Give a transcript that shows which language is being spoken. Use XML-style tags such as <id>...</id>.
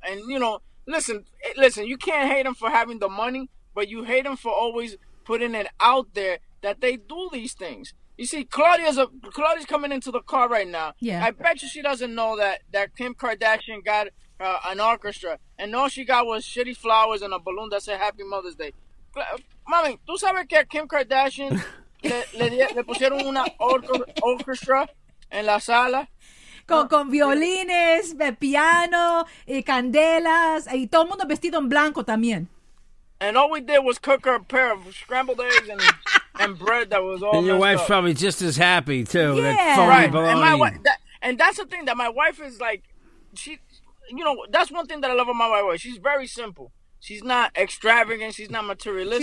<en>And, Listen, you can't hate them for having the money, but you hate them for always putting it out there that they do these things. You see, Claudia's coming into the car right now. Yeah. I bet you she doesn't know that Kim Kardashian got an orchestra, and all she got was shitty flowers and a balloon that said Happy Mother's Day.</en> <es>Mami, ¿tú sabes que Kim Kardashian le pusieron una orchestra en la sala? Con violines, piano, y candelas, y todo el mundo vestido en blanco también.</es> <en>And all we did was cook her a pair of scrambled eggs and bread that was all. And your wife's up. Probably just as happy too. Yeah, right. And that's the thing that my wife is like. She, that's one thing that I love about my wife. She's very simple. She's not extravagant. She's not materialistic.</en>